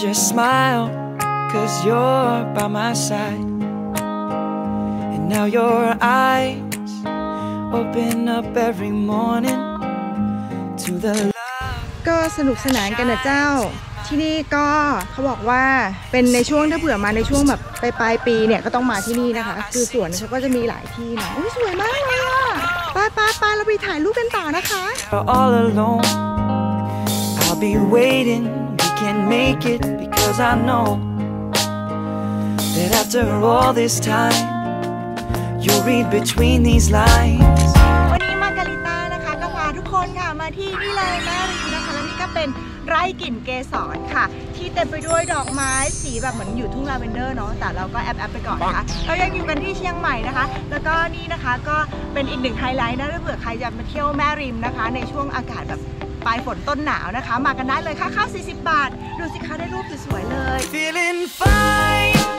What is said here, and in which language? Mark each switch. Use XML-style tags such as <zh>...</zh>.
<en>Smile, 'cause you're by my side. And now your eyes open up every morning to the love.</en> <th>ก็สนุกสนานกันนะเจ้าที่นี่ก็เขาบอกว่าเป็นในช่วงถ้าเผื่อมาในช่วงแบบปลายปีเนี่ยก็ต้องมาที่นี่นะคะคือสวนเขาก็จะมีหลายที่นะอุ้ยสวยมากเลยอ่ะป้าเราไปถ่ายรูปกันต่อนะคะ</th> <en>All alone, I'll be waiting. We can make it. Cause I know that after all this time, you read between these lines.</en> <th>วันนี้มาการิตานะคะก็พาทุกคนค่ะมาที่นี่เลยแม่รีนะคะและนี่ก็เป็นไร่กลิ่นเกสรค่ะที่เต็มไปด้วยดอกไม้สีแบบเหมือนอยู่ทุ่งลาเวนเดอร์เนาะแต่เราก็แอบไปก่อนนะคะเรายังอยู่กันที่เชียงใหม่นะคะแล้วก็นี่นะคะก็เป็นอีกหนึ่งไฮไลท์นะถ้าเผื่อใครจะมาเที่ยวแม่ริมนะคะในช่วงอากาศแบบปลายฝนต้นหนาวนะคะมากันได้เลยค่ะข้าว40บาทดูสิคะได้รูปสวยๆเลย</th> <en>Feeling fine</en>